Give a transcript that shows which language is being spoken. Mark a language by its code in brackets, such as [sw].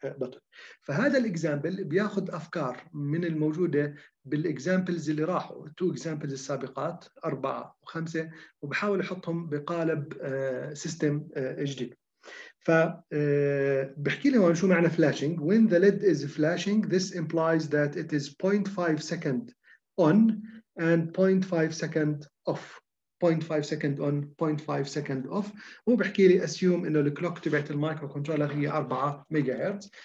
[ar] بطل. فهذا الاكزامبل بياخذ افكار من الموجوده بالاكزامبلز اللي راحوا، تو اكزامبلز السابقات اربعه وخمسه، وبحاول يحطهم بقالب سيستم جديد. ف بحكي لهم شو معنى فلاشينج. [en] When the LED is flashing, this implies that it is 0.5 second on and 0.5 second off. 0.5 second on, 0.5 second off. [ar] هو بحكي لي اسيوم انه الكلوك تبعت المايكرو كنترولر هي 4 ميجا هرتز.